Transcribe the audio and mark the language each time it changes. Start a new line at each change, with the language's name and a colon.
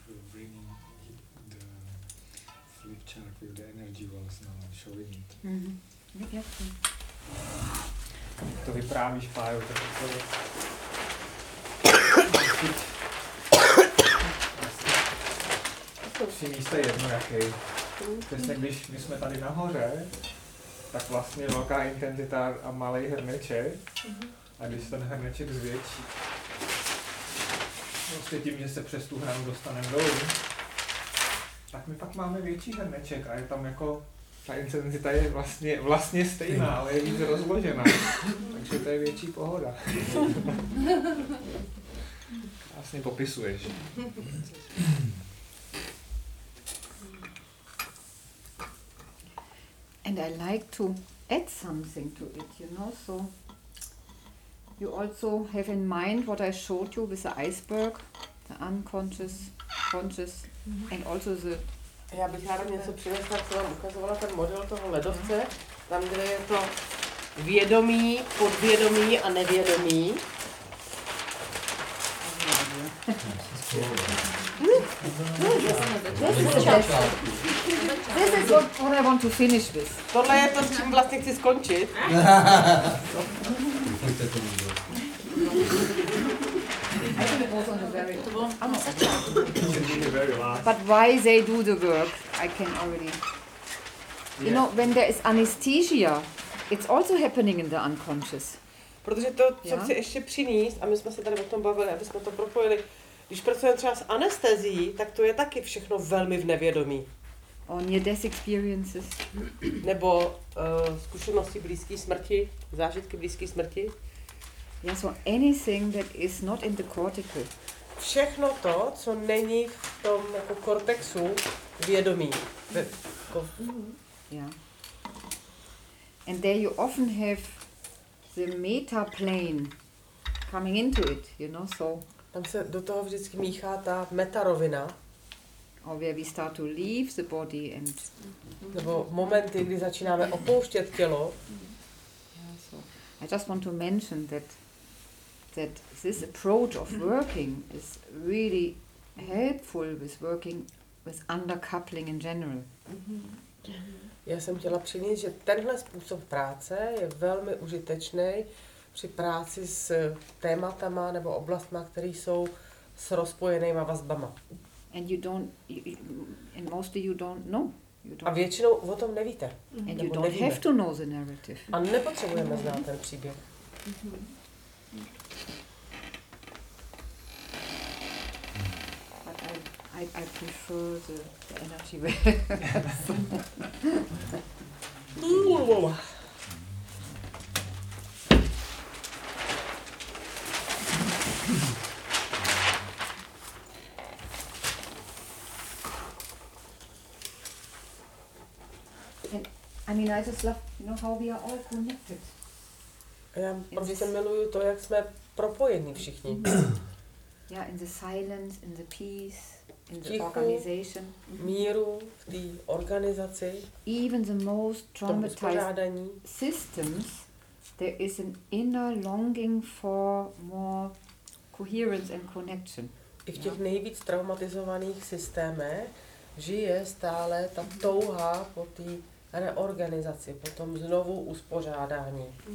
English: Bringing the future with the energy was now showing it.
Czech: To vyprávíš, Pájo, tak to je tři místa jedno jaký. Přesně, když my jsme tady nahoře, tak vlastně velká intenzita a malej hrneček. A když ten hrneček zvětší, vlastně tím, že se přes tu hranu dostaneme dolů, tak my pak máme větší hrneček a je tam jako ta intenzita je vlastně stejná, ale je víc rozložená. Takže to je větší pohoda. Vlastně popisuješ.
English: And I like to add something to it, you know, so you also have in mind what I showed you with the iceberg, the unconscious, conscious, and also the...
Czech: Já bych ráda něco přinesla, co vám ukazovala ten model toho ledovce, tam, kde je to vědomí, podvědomí a nevědomí.
English: This is what I want to finish with.
Czech: Tohle je to, s čím vlastně chci skončit.
English: But why they do the work, I can already... You know, when there is anesthesia, it's also happening in the unconscious.
Czech: Protože to, co chci ještě přinést, a my jsme se tady o tom bavili, aby jsme to propojili, když pracujeme třeba s anestezií, tak to je taky všechno velmi v nevědomí.
English: On your death experiences.
Czech: Nebo zkušenosti blízké smrti, zážitky blízké smrti.
English: Yeah, so anything that is not in the cortical.
Czech: Všechno to, co není v tom jako kortexu vědomí.
English: Yeah. And there you often have the meta plane coming into it, you know, so.
Czech: Tam se do toho vždycky míchá ta metarovina.
English: Or where we start to leave the body and...
Czech: Nebo momenty, kdy začínáme opouštět tělo.
English: Yeah, so I just want to mention that this approach of working is really helpful with working with undercoupling in general.
Czech: Já jsem chtěla přinést, že tenhle způsob práce je velmi užitečný při práci s tématama nebo oblastma, které jsou s rozpojenýma vazbama.
English: And you don't, and mostly you don't know. You don't.
Czech: A většinou o tom nevíte.
English: Mm-hmm. And you don't
Czech: nevíme.
English: Have to know the narrative.
Czech: A nepotřebujeme znát ten příběh.
English: Mm-hmm. But I prefer the energy way. Ooh. I mean, I just love, you know, how we are all connected.
Czech: Já prostě miluju to, jak jsme propojení všichni.
English: Yeah, in the silence, in the peace, in the organization.
Czech: Míru, v té organizaci.
English: Even the most traumatized systems, there is an inner longing for more coherence and connection.
Czech: I v těch nejvíc traumatizovaných systémech žije stále ta touha po té reorganizaci, potom znovu uspořádání.